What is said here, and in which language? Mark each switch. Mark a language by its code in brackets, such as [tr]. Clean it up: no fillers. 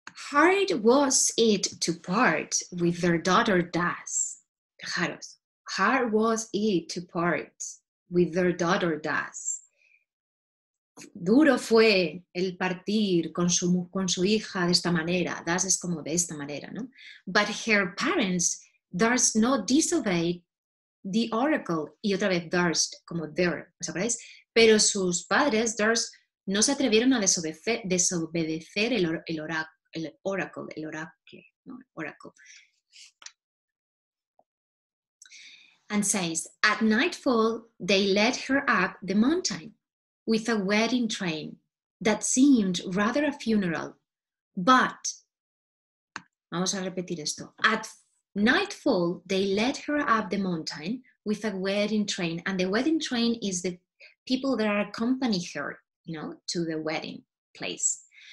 [en] Hard was it to part with their daughter thus. Fijaros. Hard was it to part with their daughter thus. [es] Duro fue el partir con su hija de esta manera. Das es como de esta manera, ¿no? [en] But her parents durst not disobey the oracle. [es] Y otra vez durst, como there, ¿os acordáis? Pero sus padres durst no se atrevieron a desobedecer el oracle. [en] And says, at nightfall they led her up the mountain with a wedding train that seemed rather a funeral. But, [es] vamos a repetir esto, [en] at nightfall they led her up the mountain with a wedding train, and the wedding train is the people that accompany her, you know, to the wedding place.